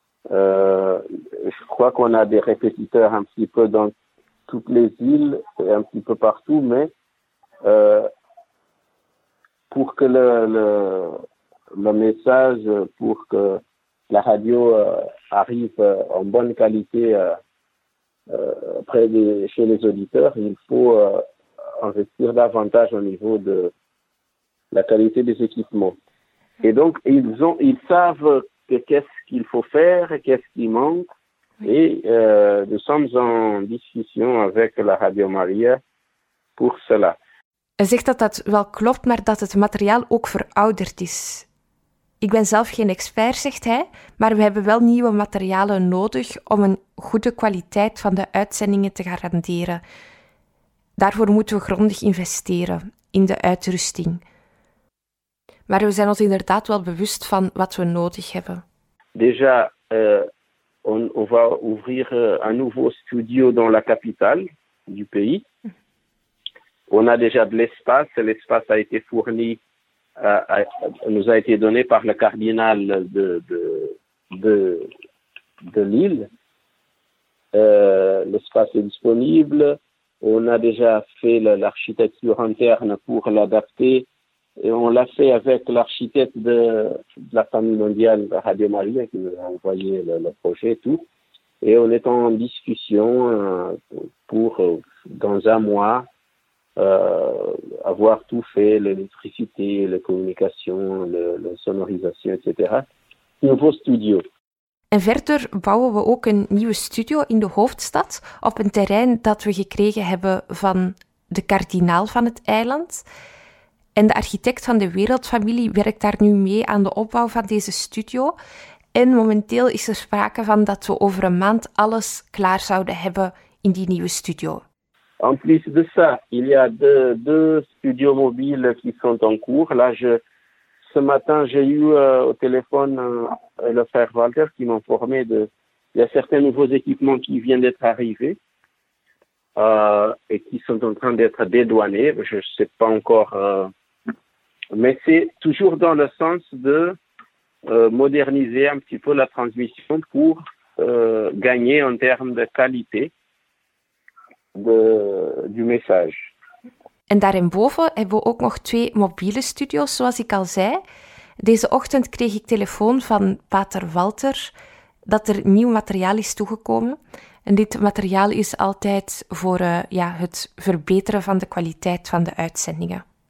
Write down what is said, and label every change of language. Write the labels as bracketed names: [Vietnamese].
[French] Je crois qu'on a des répétiteurs un petit peu dans toutes les îles, et un petit peu partout, mais pour que le message, pour que la radio arrive en bonne qualité près des chez les auditeurs, il faut investir davantage au niveau de la qualité des équipements. Et donc ils savent que qu'est-ce qu'il faut faire, qu'est-ce qui manque. Et nous sommes en discussion avec la Radio Maria pour cela. [Dutch] Hij zegt dat dat wel klopt, maar dat het materiaal ook verouderd is. Ik ben zelf geen expert, zegt hij, maar we hebben wel nieuwe materialen nodig om een goede kwaliteit van de uitzendingen te garanderen. Daarvoor moeten we grondig investeren in de uitrusting. Maar we zijn ons inderdaad wel bewust van wat we nodig hebben. [French] Déjà, on va ouvrir un nouveau studio dans la capitale du pays. On a déjà de l'espace. L'espace a été fourni, nous a été donné par le cardinal de Lille. L'espace est disponible. On a déjà fait l'architecture interne pour l'adapter. Et on l'a fait avec l'architecte de la famille mondiale Radio Maria qui nous a envoyé le projet et tout. Et on est en discussion pour, dans un mois, avoir tout fait, l'électricité, la communication, la sonorisation, etc. Nouveau studio. [Dutch] En verder bouwen we ook een nieuwe studio in de hoofdstad op een terrein dat we gekregen hebben van de kardinaal van het eiland. En de architect van de wereldfamilie werkt daar nu mee aan de opbouw van deze studio. En momenteel is er sprake van dat we over een maand alles klaar zouden hebben in die nieuwe studio. [French] En plus de ça, il y a deux studios mobiles qui sont en cours. Là, ce matin, j'ai eu au téléphone le frère Walter qui m'informait qu'il y a certains nouveaux équipements qui viennent d'être arrivés et qui sont en train d'être dédouanés. Je ne sais pas encore, mais c'est toujours dans le sens de moderniser un petit peu la transmission pour gagner en termes de qualité. Du message. [Dutch] En daarin boven hebben we ook nog twee mobiele studio's, zoals ik al zei. Deze ochtend kreeg ik telefoon van Pater Walter dat er nieuw materiaal is toegekomen. En dit materiaal is altijd voor het verbeteren van de kwaliteit van de uitzendingen.